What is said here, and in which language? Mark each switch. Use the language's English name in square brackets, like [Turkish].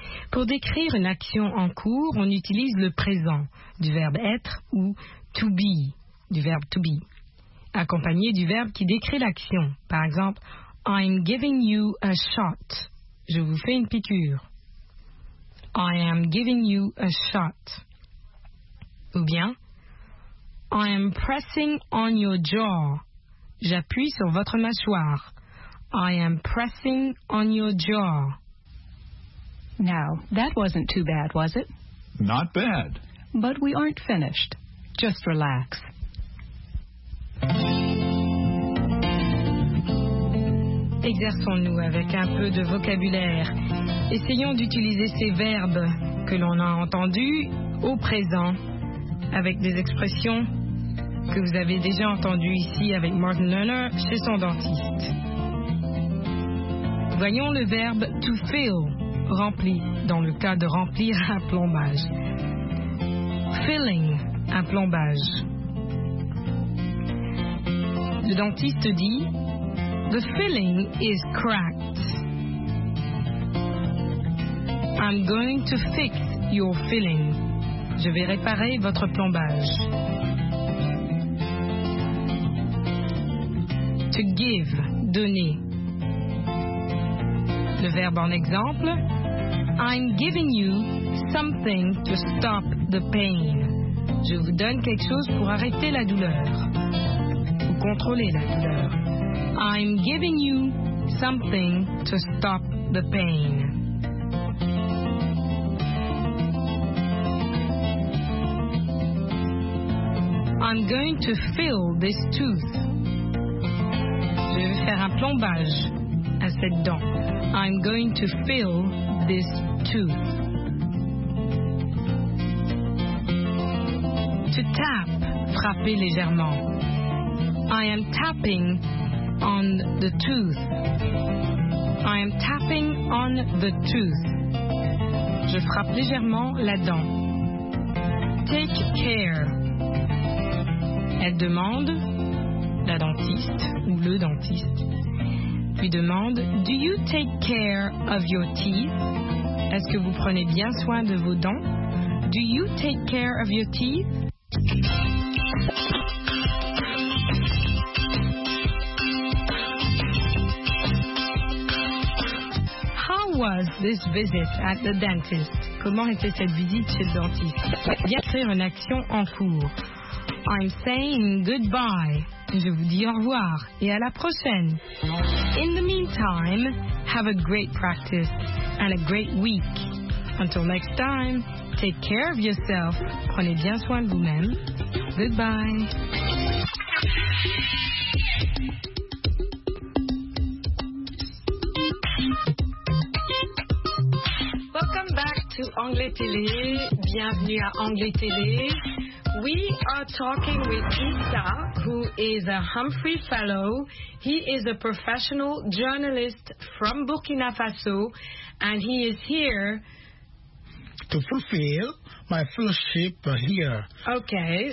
[French] Pour décrire une action en cours, on utilise le présent du verbe être ou to be, du verbe to be, accompagné du verbe qui décrit l'action. Par exemple, [English] I'm giving you a shot. [French] Je vous fais une piqûre. [English] I am giving you a shot. [French] Ou bien, [English] I am pressing on your jaw. [French] J'appuie sur votre mâchoire. [English] I am pressing on your jaw. Now, that wasn't too bad, was it? Not bad. But we aren't finished. Just relax. [French] Exerçons-nous avec un peu de vocabulaire. Essayons d'utiliser ces verbes que l'on a entendus au présent avec des expressions que vous avez déjà entendues ici avec Martin Lerner chez son dentiste. Voyons le verbe to fill, rempli, dans le cas de remplir un plombage. Filling, un plombage. Le dentiste dit, [English] the filling is cracked. I'm going to fix your filling. [French] Je vais réparer votre plombage. [English] To give, donner. [French] Le verbe en exemple, [English] I'm giving you something to stop the pain. [French] Je vous donne quelque chose pour arrêter la douleur. Ou contrôler la douleur. [English] I'm giving you something to stop the pain. I'm going to fill this tooth. [French] Je vais faire un plombage à cette dent. [English] I'm going to fill this tooth. [French] To tap, frapper légèrement. [English] I am tapping on the tooth. I am tapping on the tooth. [French] Je frappe légèrement la dent. [English] Take care. [French] Elle demande, la dentiste ou le dentiste, lui demande, [English] do you take care of your teeth? [French] Est-ce que vous prenez bien soin de vos dents? [English] Do you take care of your teeth? How was this visit at the dentist? [French] Comment était cette visite chez le dentiste? Bien faire une action en cours. [English] I'm saying goodbye. [French] Je vous dis au revoir et à la prochaine. [English] In the meantime, have a great practice and a great week. Until next time, take care of yourself. Prenez bien soin de vous-même. Goodbye. Welcome back to Anglais Télé. [French] Bienvenue à Anglais Télé. [English] We are talking with Issa, who is a Humphrey Fellow. He is a professional journalist from Burkina Faso, and he is here to fulfill my fellowship here. Okay.